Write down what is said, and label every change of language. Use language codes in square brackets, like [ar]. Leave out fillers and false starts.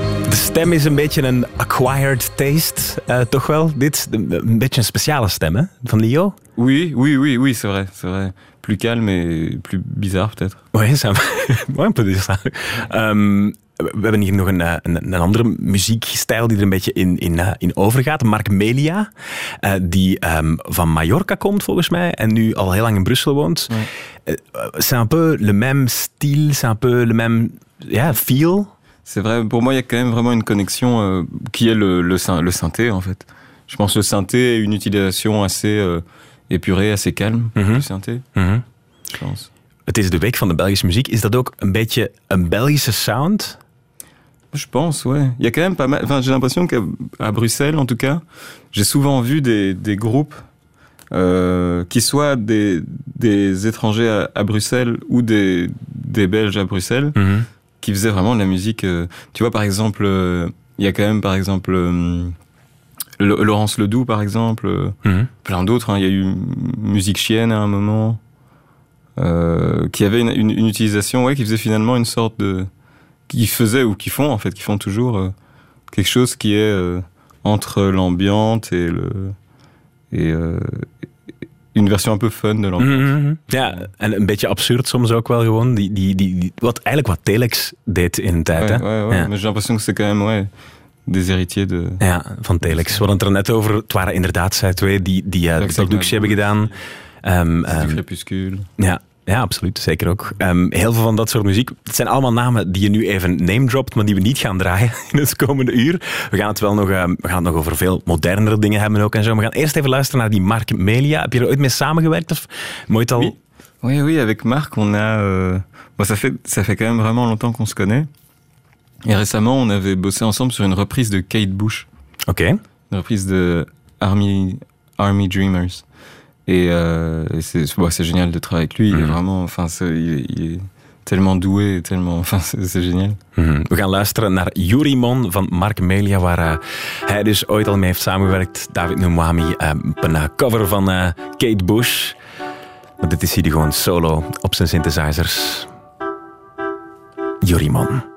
[nl] stem is een beetje een acquired taste, toch wel? Dit een beetje een speciale stem, hè? Van Leo? [fr] Oui, c'est vrai, c'est vrai. Plus calme et plus bizarre, peut-être. Oui, ça va. Un peu bizarre. [nl] We hebben hier nog een andere muziekstijl die er een beetje in overgaat. Mark Melia, die van Mallorca komt volgens mij en nu al heel lang in Brussel woont. [fr] Ouais. C'est un peu le même style, c'est un peu le même feel. C'est vrai, pour moi il y a quand même vraiment une connexion qui est le synthé en fait. Je pense que le synthé est une utilisation assez épurée, assez calme du synthé, je pense. [nl] Het is de week van de Belgische muziek. Is dat ook een beetje een Belgische sound? [fr] Je pense, ouais. Il y a quand même pas mal. Enfin, j'ai l'impression qu'à Bruxelles, en tout cas, j'ai souvent vu des groupes qui soient des étrangers à Bruxelles ou des Belges à Bruxelles qui faisaient vraiment de la musique. Tu vois, par exemple, il y a quand même, par exemple, Laurence Ledoux, par exemple, plein d'autres. Hein. Il y a eu Musique Chienne à un moment. Qui avait une utilisation, ouais, qui faisait finalement une sorte de, qui faisait ou qui font en fait, qui font toujours quelque chose qui est entre l'ambiance et le et une version un peu fun de l'ambiance. [nl] Ja, en een beetje absurd soms ook wel gewoon die wat eigenlijk wat Telex deed in de tijd. [fr] Ouais, hè? Ouais. Mais j'ai l'impression que c'est quand même ouais. Des héritiers de... [nl] Ja, van Telex. We hadden het er net over. Het waren inderdaad zij twee die de productie hebben gedaan. Crepuscule. Ja, absoluut. Zeker ook. Heel veel van dat soort muziek. Het zijn allemaal namen die je nu even namedropt, maar die we niet gaan draaien in het komende uur. We gaan het wel nog, we gaan het nog over veel modernere dingen hebben ook en zo. We gaan eerst even luisteren naar die Mark Melia. Heb je er ooit mee samengewerkt? Of moet je al... [fr] Oui, avec Marc, on a... ça fait quand même vraiment longtemps qu'on se connaît. Et récemment, on avait bossé ensemble sur une reprise de Kate Bush. Ok. Une reprise de Army Dreamers. Et c'est génial de travailler avec lui. Il est vraiment, enfin, il est tellement doué, tellement, enfin, c'est génial. [nl] We gaan luisteren naar Yuri Mon van Mark Melia, waar hij dus ooit al mee heeft samengewerkt. David Nwami, een cover van Kate Bush. Maar dit is hier gewoon solo op zijn synthesizers. Yuri Mon.